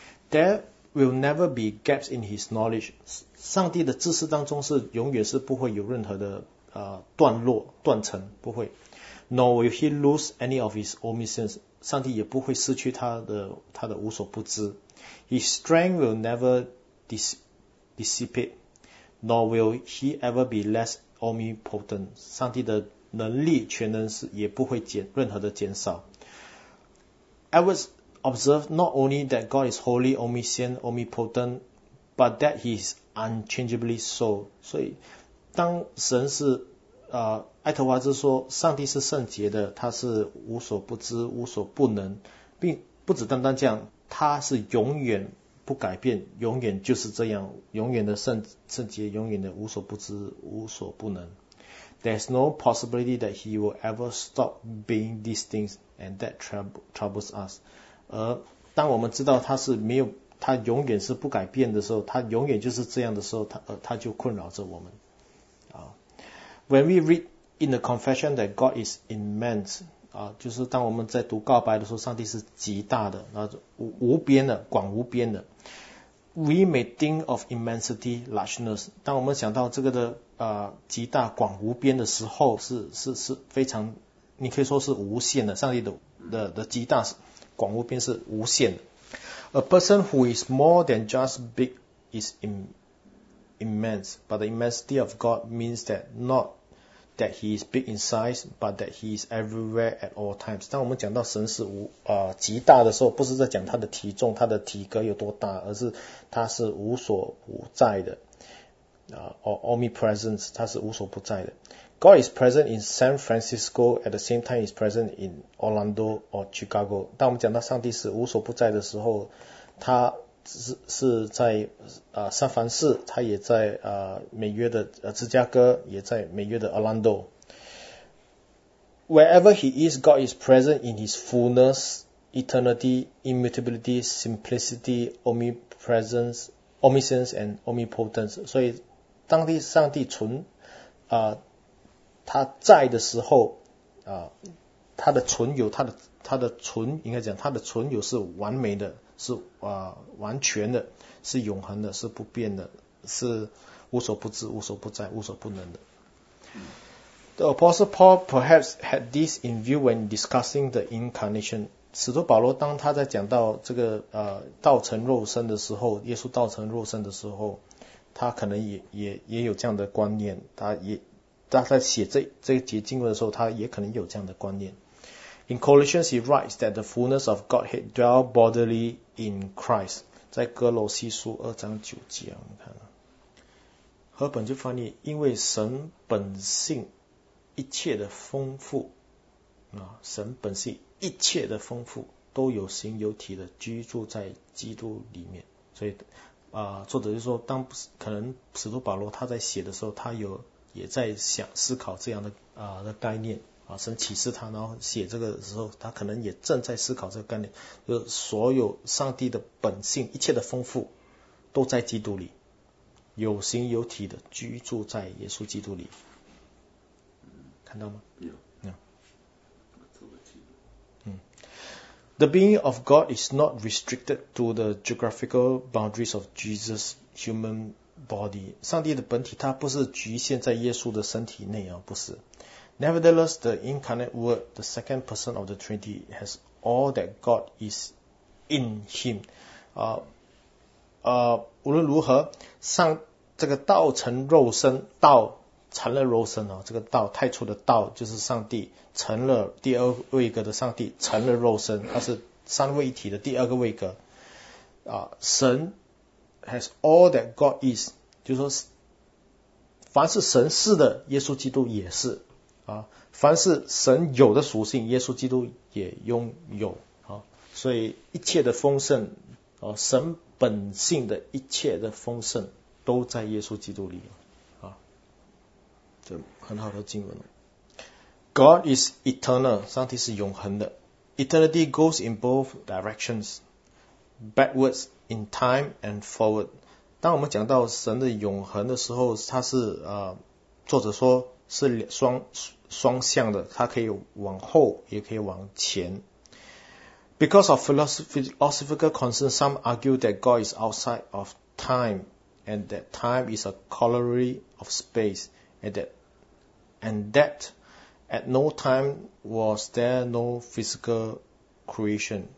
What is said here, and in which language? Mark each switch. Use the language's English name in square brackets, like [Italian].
[English] There will never be gaps in His knowledge. [Chinese] 上帝的知识当中是永远是不会有任何的段落断层，不会。 [English] Nor will he lose any of his omniscience. [Chinese] 上帝也不会失去他的无所不知。 [English] His strength will never dissipate. Nor will he ever be less omnipotent. [Chinese] 上帝的能力全能是也不会任何的减少。Edwards [English] observe not only that God is holy, omniscient, omnipotent, but that he is unchangeably so. [Chinese] 所以当神是爱德华兹说上帝是圣洁的，他是无所不知无所不能，并不只单单这样，他是永远不改变，永远就是这样，永远的圣洁，永远的无所不知无所不能。 [English] There's no possibility that he will ever stop being these things, and that troubles us. [Chinese] 而当我们知道他是没有，他永远是不改变的时候，他永远就是这样的时候，他就困扰着我们。 [English] When we read in the confession that God is immense, [Chinese] 就是当我们在读告白的时候，上帝是极大的，无边的，广无边的。 [English] We may think of immensity, largeness. [Chinese] 当我们想到这个的极大广无边的时候，是非常，你可以说是无限的，上帝的极大广无边是无限的。 [English] A person who is more than just big is immense, but the immensity of God means that not that he is big in size, but that he is everywhere at all times. [Chinese] 当我们讲到神是极大的时候，不是在讲他的体重，他的体格有多大，而是他是无所不在的。 [English] Omnipresence, [Chinese] 他是无所不在的。 [English] God is present in San Francisco, at the same time is present in Orlando or Chicago. [Chinese] 当我们讲到上帝是无所不在的时候，他是在三藩市，他也在美约的芝加哥，也在美约的 Orlando. [English] Wherever he is, God is present in his fullness, eternity, immutability, simplicity, omnipresence, omniscience and omnipotence. [Chinese] 所以当地上帝存他在的时候他的存有他的存，应该讲他的存有是完美的，是完全的，是永恒的，是不变的，是无所不知无所不在无所不能的。 [English] The Apostle Paul perhaps had this in view when discussing the incarnation. [Chinese] 使徒保罗当他在讲到这个道成肉身的时候，耶稣道成肉身的时候，他可能也有这样的观念，他在写这节经文的时候，他也可能有这样的观念。 [English] In Colossians, he writes that the fullness of Godhead dwell bodily in Christ. [Chinese] 在哥罗西书二章九节，我们看了。和本就翻译，因为神本性一切的丰富，神本性一切的丰富都有形有体的居住在基督里面。所以，作者就说，当可能使徒保罗他在写的时候，他有也在想思考这样的概念。神启示他，然后写这个的时候，他可能也正在思考这个概念，就是所有上帝的本性，一切的丰富，都在基督里，有形有体的居住在耶稣基督里。看到吗？有。 [English] The being of God is not restricted to the geographical boundaries of Jesus' human body. [Chinese] 上帝的本体，它不是局限在耶稣的身体内啊，不是。 [English] Nevertheless, the incarnate word, the second person of the Trinity, has all that God is in him. [Chinese] 无论如何，上这个道成肉身，道成了肉身，这个道太初的道就是上帝，成了第二位格的上帝，成了肉身，它是三位一体的第二个位格。神 [English] has all that God is, [Chinese] 就是说凡是神是的，耶稣基督也是。凡是神有的属性，耶稣基督也拥有，所以一切的丰盛，神本性的一切的丰盛都在耶稣基督里，这很好的经文。 [English] God is eternal, [Chinese] 上帝是永恒的。 [English] Eternity goes in both directions, backwards in time and forward. [Chinese] 当我们讲到神的永恒的时候，它是作者说是双向的，它可以往后也可以往前。 [English] Because of philosophical concern, some argue that God is outside of time, and that time is a corollary of space, and that at no time was there no physical creation.